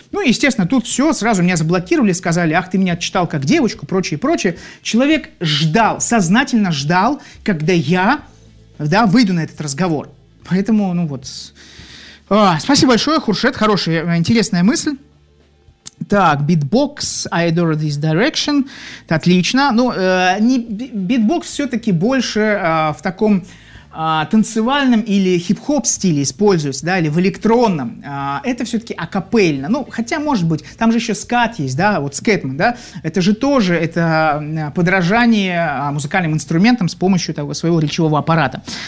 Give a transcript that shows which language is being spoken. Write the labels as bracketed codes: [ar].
[ru] Ну, естественно, тут все, сразу меня заблокировали, сказали, ах, ты меня отчитал как девочку, прочее, прочее. Человек ждал, сознательно ждал, когда я, да, выйду на этот разговор. Поэтому, ну вот, спасибо большое, Хуршет, хорошая, интересная мысль. [en] Так, Beatbox, I adore this direction. [ru] Отлично. Ну, Beatbox все-таки больше в таком танцевальном или хип-хоп стиле используется, да, или в электронном. Это все-таки акапельно. Ну, хотя, может быть, там же еще скат есть, да, вот скэтман, да. Это же тоже это подражание музыкальным инструментам с помощью того своего речевого аппарата.